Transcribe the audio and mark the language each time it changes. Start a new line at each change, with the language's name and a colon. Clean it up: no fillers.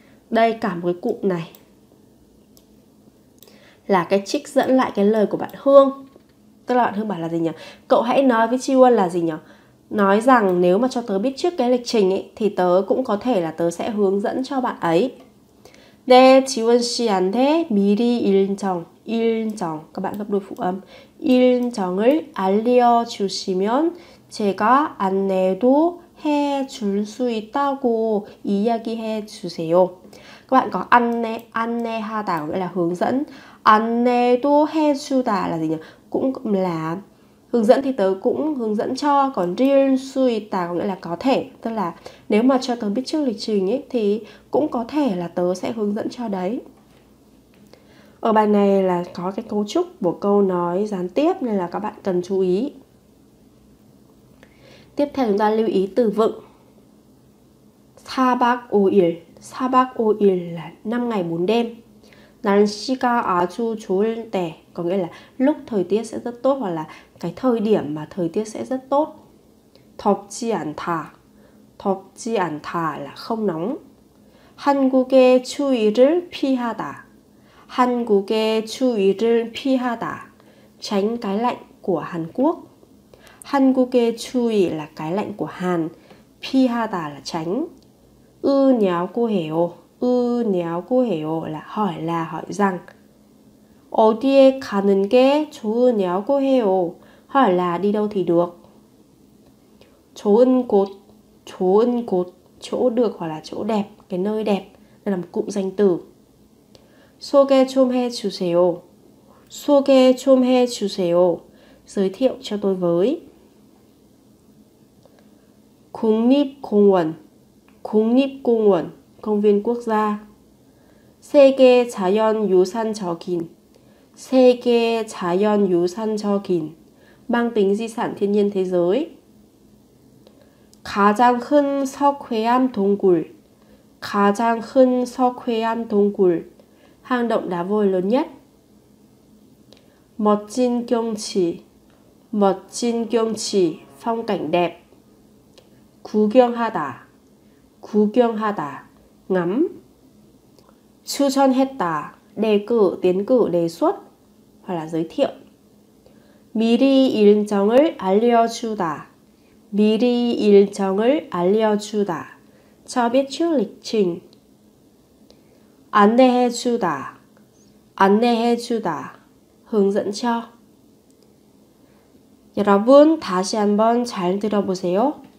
Vietnamese: Đây cả một cái cụm này là cái trích dẫn lại cái lời của bạn Hương. Tức là bạn Hương bảo là gì nhỉ? Cậu hãy nói với Chiwon là gì nhỉ? Nói rằng nếu mà cho tớ biết trước cái lịch trình ấy thì tớ cũng có thể là tớ sẽ hướng dẫn cho bạn ấy.
Korean: 네, 지원 씨한테 미리 일정, 일정
Vietnamese: các bạn gấp đôi phụ âm
Korean: 일정을 알려주시면 제가 안내도 해 줄 수 있다고 이야기해 주세요.
Vietnamese: Các bạn có
Korean: 안내, 안내하다
Vietnamese: có nghĩa là hướng dẫn.
Korean: 안내도 해 주다
Vietnamese: là gì nhỉ? Cũng là hướng dẫn thì tớ cũng hướng dẫn cho. Còn
Korean: 줄 수 있다
Vietnamese: có nghĩa là có thể, tức là nếu mà cho tớ biết trước lịch trình ấy thì cũng có thể là tớ sẽ hướng dẫn cho đấy. Ở bài này là có cái cấu trúc của câu nói gián tiếp nên là các bạn cần chú ý. Tiếp theo chúng ta lưu ý từ vựng.
Korean: 4박 5일.
Vietnamese: 4박 5일 là 5 ngày 4 đêm.
Korean: 날씨가 아주 좋을 때
Vietnamese: có nghĩa là lúc thời tiết sẽ rất tốt hoặc là cái thời điểm mà thời tiết sẽ rất tốt.
Korean: 덥지 않다. 덥지 않다
Vietnamese: là không nóng.
Korean: 한국의 추위를 피하다. 한국의 추위를 피하다.
Vietnamese: Tránh cái lạnh của Hàn Quốc.
Korean: 한국의 추위
Vietnamese: là cái lạnh của Hàn, 피하다 là tránh.
Korean: 으냐고 해요. 으냐고 해요
Vietnamese: là hỏi rằng.
Korean: 어디에 가는 게 좋으냐고 해요.
Vietnamese: 헐라, 니도 thì được.
Korean: 좋은 곳,
Vietnamese: chỗ được hoặc là chỗ đẹp, cái nơi đẹp, đây là một cụm danh từ.
Korean: 소개 좀 해주세요. 소개 좀 해주세요.
Vietnamese: giới thiệu cho tôi với.
Korean: 국립공원, 국립공원,
Vietnamese: công viên quốc gia.
Korean: 세계 자연유산적인, 세계 자연유산적인,
Vietnamese: mang tính di sản thiên nhiên thế giới.
Korean: 가장 큰 석회암 동굴, 가장 큰 석회암 동굴,
Vietnamese: hang động đá vôi lớn nhất.
Korean: 멋진 경치, 멋진 경치,
Vietnamese: phong cảnh đẹp.
Korean: 구경하다, 구경하다, ngắm.
Vietnamese: 추천했다, đề cử, tiến cử, đề xuất, hoặc là giới thiệu.
Korean: 미리 일정을 알려주다, 미리 일정을 알려주다,
Vietnamese: cho biết trước lịch trình.
Korean: 안내해주다, 안내해주다,
Vietnamese: hướng dẫn cho.
Korean: 여러분, 다시 한번 잘 들어보세요.